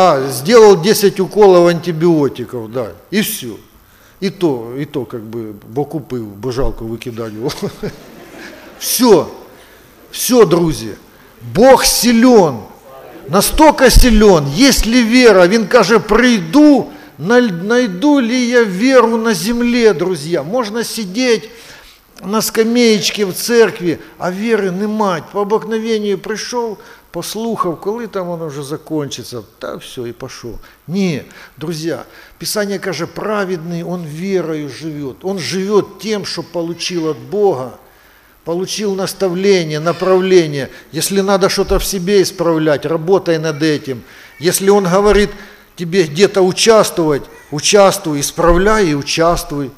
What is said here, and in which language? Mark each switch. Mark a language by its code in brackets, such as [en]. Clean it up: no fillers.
[ru] Сделал 10 уколов антибиотиков, да, и все. И то как бы, [uk] бо купив, бо [ru] жалко выкидать его. Все, друзья, Бог силен. Настолько силен, есть ли вера? [uk] Він каже, прийду, [ru] найду ли я веру на земле, друзья? Можно сидеть на скамеечке в церкви, а веры [uk] немає. По обыкновению прийшов, послухав, коли там воно вже закончиться, та все, і пішов. [ru] Ні, друзья, Писание каже, праведний, он верою живет. Он живет тем, що получил от Бога. Получил наставление, направление. Если надо что-то в себе исправлять, работай над этим. Если он говорит тебе где-то участвовать, участвуй, исправляй и участвуй.